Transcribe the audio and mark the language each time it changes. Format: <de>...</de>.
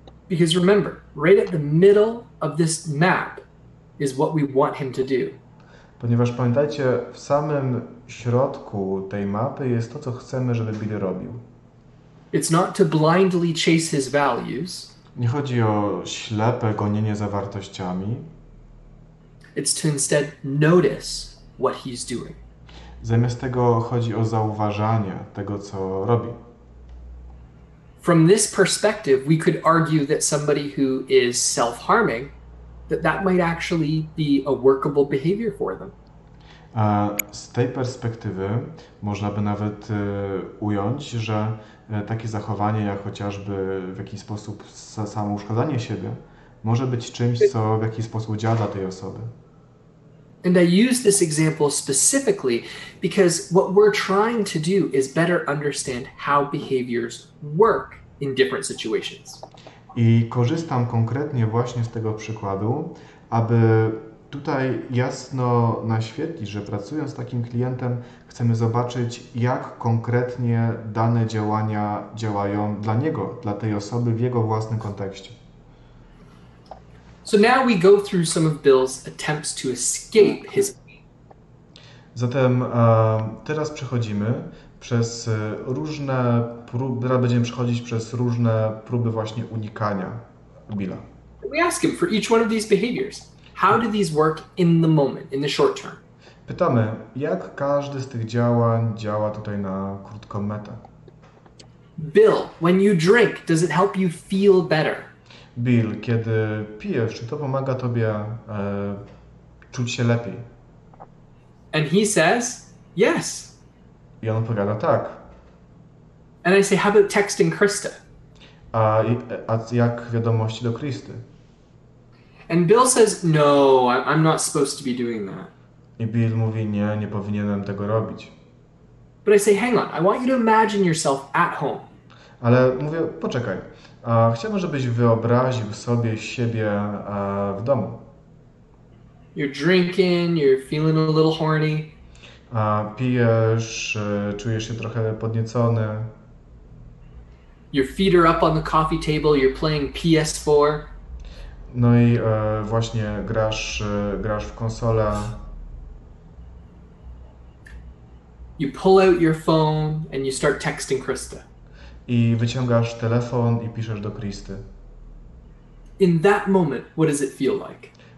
<en>Because remember, right at the middle of this map is what we want him to do.</en> <pl>Ponieważ pamiętajcie, w samym środku tej mapy jest to, co chcemy, żeby Bill robił.</pl> <en>It's not to blindly chase his values.</en> <pl>Nie chodzi o ślepe gonienie za wartościami.</pl> <en>It's to instead notice what he's doing.</en> <pl>Zamiast tego chodzi o zauważanie tego, co robi.</pl> <en>From this perspective, we could argue that somebody who is self-harming, that might actually be a workable behavior for them.</en> <pl>Z tej perspektywy można by nawet ująć, że takie zachowanie jak chociażby w jakiś sposób samouszkadzanie siebie może być czymś, co w jakiś sposób działa dla tej osoby.</pl> <en>And I use this example specifically because what we're trying to do is better understand how behaviors work in different situations.</en> <pl>I korzystam konkretnie właśnie z tego przykładu, aby tutaj jasno naświetlić, że pracując z takim klientem, chcemy zobaczyć, jak konkretnie dane działania działają dla niego, dla tej osoby w jego własnym kontekście.</pl> <en>So now we go through some of Bill's attempts to escape his.</en> <pl>Zatem teraz przechodzimy przez różne próby, teraz będziemy przechodzić przez różne próby właśnie unikania Billa.</pl> <en>We ask him for each one of these behaviors. How do these work in the moment, in the short term?</en> <pl>Pytamy, jak każdy z tych działań działa tutaj na krótką metę.</pl> <en>Bill, when you drink, does it help you feel better?</en> <pl>Bill, kiedy pijesz, czy to pomaga tobie czuć się lepiej?</pl> <en>And he says, yes.</en> <pl>I on odpowiada, tak.</pl> <en>And I say, how about texting Krista?</en> <pl>A jak wiadomości do Kristy?</pl> <en>And Bill says, no, I'm not supposed to be doing that.</en> <pl>I Bill mówi, nie, nie powinienem tego robić.</pl> <en>But I say, hang on, I want you to imagine yourself at home.</en> <pl>Ale mówię, poczekaj. Chciałbym, żebyś wyobraził sobie siebie w domu.</pl> <en>You're drinking, you're feeling a little horny.</en> <pl>Pijesz, czujesz się trochę podniecony.</pl> <en>Your feet are up on the coffee table, you're playing PS4.</en> <pl>No i właśnie grasz w konsolę.</pl> <en>You pull out your phone and you start texting Krista.</en> <pl>I wyciągasz telefon i piszesz do Kristy.</pl> <en>In that moment, what does it feel like?</en>